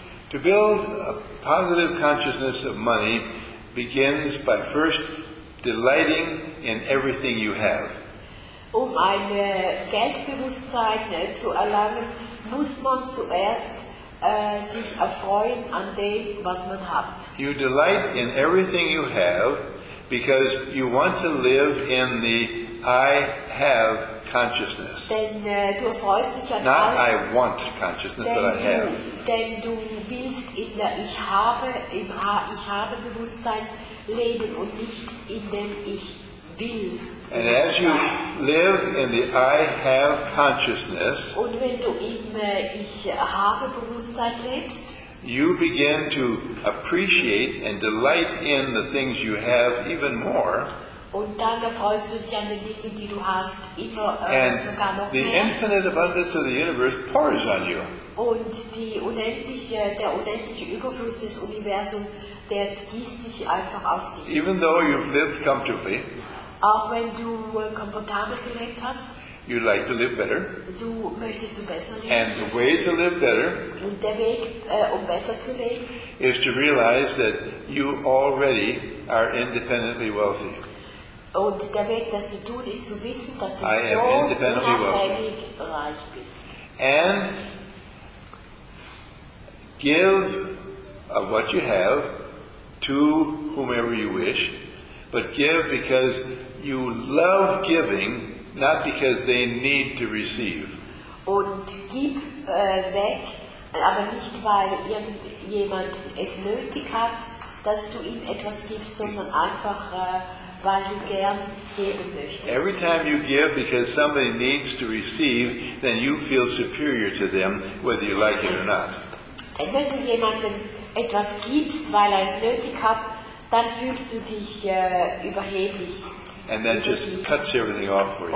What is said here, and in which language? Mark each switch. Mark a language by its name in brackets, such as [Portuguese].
[English] To build a positive consciousness of money begins by first delighting in everything you have. [German] Um ein Geldbewusstsein zu erlangen, muss man zuerst sich erfreuen an dem, was man hat. [English] You delight in everything you have because you want to live in the I have consciousness. [German] Denn du erfreust dich an [English] not I want consciousness, but I have. [German] Denn du willst in der ich habe Bewusstsein leben und nicht in dem ich will. [English] And as you live in the I have consciousness, [German] und wenn du im ich habe Bewusstsein lebst, [English] you begin to appreciate and delight in the things you have even more. [German] Und dann erfreust du dich an den Dingen, die du hast, immer [English] and [German] sogar noch mehr. [English] The infinite abundance of the universe pours on you. [German] Und der unendliche Überfluss des Universums, der gießt sich einfach auf dich. [English] Even though you've lived comfortably, [German] auch wenn du komfortabel gelebt hast, [English] you'd like to live better. [German] Du möchtest du besser leben. [English] And the way to live better, [German] und der Weg, besser zu leben, [English] is to realize that you already are independently wealthy. [German] Und der Weg, das zu tun, ist zu wissen, dass du I so unabhängig reich bist. [English] And give of what you have to whomever you wish, but give because you love giving, not because they need to receive. [German] Und gib weg, aber nicht, weil irgendjemand es nötig hat, dass du ihm etwas gibst, sondern einfach weil du gern geben möchtest. [English] Every time you give because somebody needs to receive, then you feel superior to them, whether you like it or not. [German] Und wenn du jemandem etwas gibst, weil es nötig hat, dann fühlst du dich überheblich. [English] And that just cuts everything off for you.